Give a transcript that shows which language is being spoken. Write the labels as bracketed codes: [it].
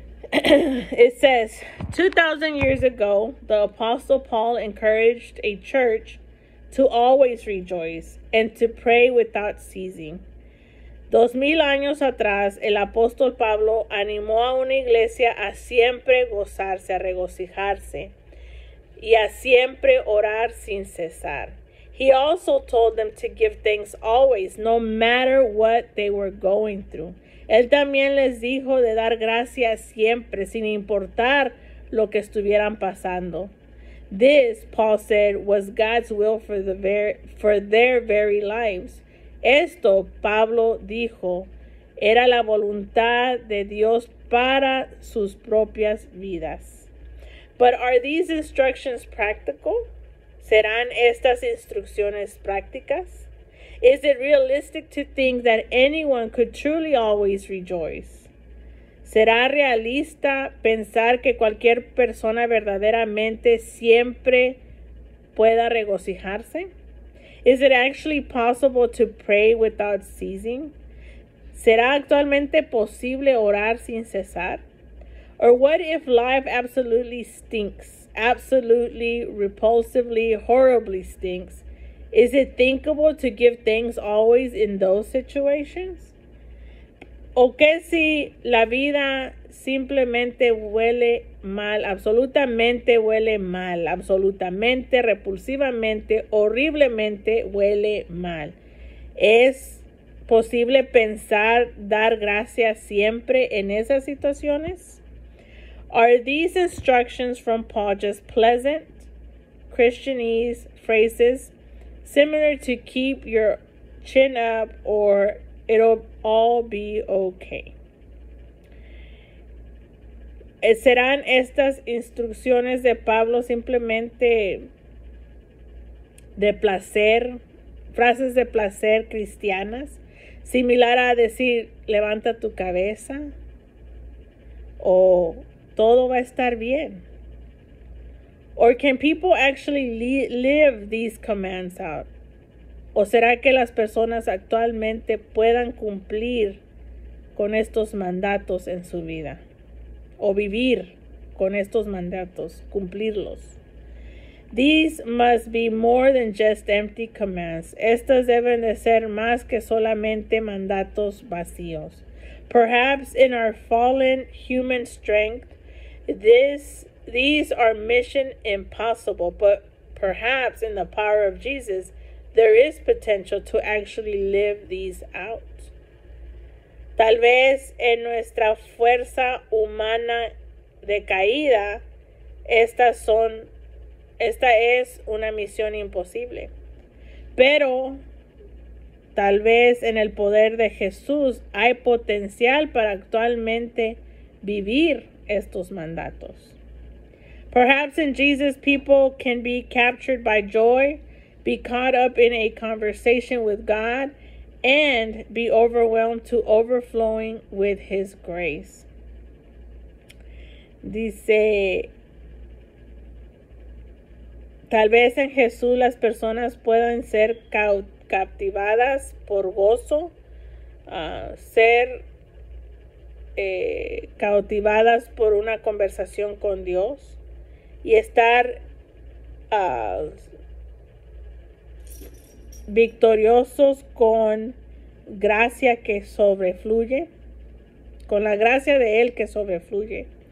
[en] It says, 2,000 years ago, the Apostle Paul encouraged a church to always rejoice and to pray without ceasing. [es] 2,000 años atrás, el apóstol Pablo animó a una iglesia a siempre gozarse, a regocijarse, y a siempre orar sin cesar. [en] He also told them to give thanks always, no matter what they were going through. [es] Él también les dijo de dar gracias siempre, sin importar lo que estuvieran pasando. [en] This, Paul said, was God's will for their very lives. [es] Esto, Pablo dijo, era la voluntad de Dios para sus propias vidas. [en] But are these instructions practical? [es] ¿Serán estas instrucciones prácticas? [en] Is it realistic to think that anyone could truly always rejoice? [es] ¿Será realista pensar que cualquier persona verdaderamente siempre pueda regocijarse? [en] Is it actually possible to pray without ceasing? [es] ¿Será actualmente posible orar sin cesar? [en] Or what if life absolutely stinks, absolutely, repulsively, horribly stinks? Is it thinkable to give thanks always in those situations? [es] ¿O qué si la vida simplemente huele mal, absolutamente huele mal, absolutamente, repulsivamente, horriblemente huele mal? ¿Es posible pensar, dar gracias siempre en esas situaciones? [en] Are these instructions from Paul just pleasant Christianese phrases similar to keep your chin up or it'll all be okay? [es] ¿Serán estas instrucciones de Pablo simplemente de placer, frases de placer cristianas, similar a decir levanta tu cabeza o todo va a estar bien? [en] Or can people actually live these commands out? [es] ¿O será que las personas actualmente puedan cumplir con estos mandatos en su vida? ¿O vivir con estos mandatos, cumplirlos? [en] These must be more than just empty commands. [es] Estas deben de ser más que solamente mandatos vacíos. [en] Perhaps in our fallen human strength, these are mission impossible, but perhaps in the power of Jesus, there is potential to actually live these out. [es] Tal vez en nuestra fuerza humana decaída, esta es una misión imposible. Pero tal vez en el poder de Jesús hay potencial para actualmente vivir estos mandatos. [en] Perhaps in Jesus, people can be captured by joy, be caught up in a conversation with God, and be overwhelmed to overflowing with His grace. [es] Dice, tal vez en Jesús las personas puedan ser captivadas por gozo, cautivadas por una conversación con Dios, y estar victoriosos con gracia que sobrefluye, con la gracia de Él que sobrefluye.